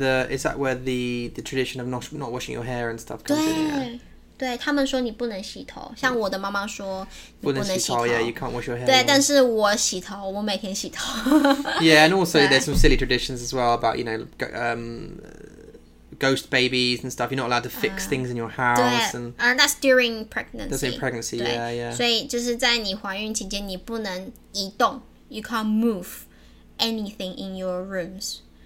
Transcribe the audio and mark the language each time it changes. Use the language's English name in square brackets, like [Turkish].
[English] Is that where the tradition of not washing your hair and stuff comes in? Yeah. [Chinese] 对，他们说你不能洗头，像我的妈妈说你不能洗头 [English] yeah, you can't wash your hair. [Chinese] 对，但是我洗头，我每天洗头。 [English] Yeah, and also there's some silly traditions as well about, you know, ghost babies and stuff. You're not allowed to fix things in your house. [Chinese] 对 [English] and that's during pregnancy. That's during pregnancy, yeah, yeah. [Chinese] 所以就是在你怀孕期间你不能移动， [English] you can't move anything in your rooms.